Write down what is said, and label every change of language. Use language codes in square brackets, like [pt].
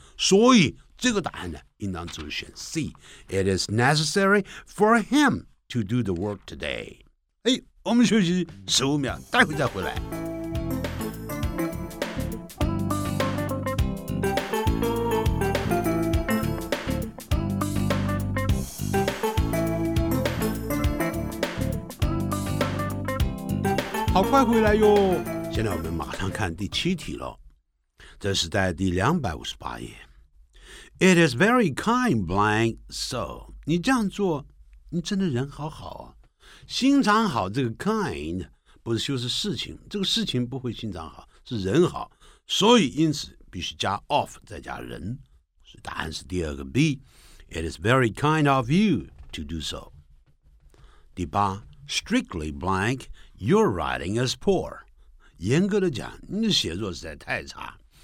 [zh] 所以这个答案呢，应当就是选 C。 [en] It is necessary for him to do the work today. 哎。 [zh] 我们休息15秒，待会再回来。好，快回来哟！现在我们马上看第七题了，这是在第258页。 [en] It is very kind, blank. [zh] So， 你这样做，你真的人好好啊。心肠好，这个 kind 不是修饰事情，这个事情不会心肠好，是人好，所以因此必须加 of 再加人，所以答案是第二个 B。 [en] It is very kind of you to do so。 [zh] 第八 [en] ，strictly blank， your writing is poor。 [zh] 严格的讲，你的写作实在太差。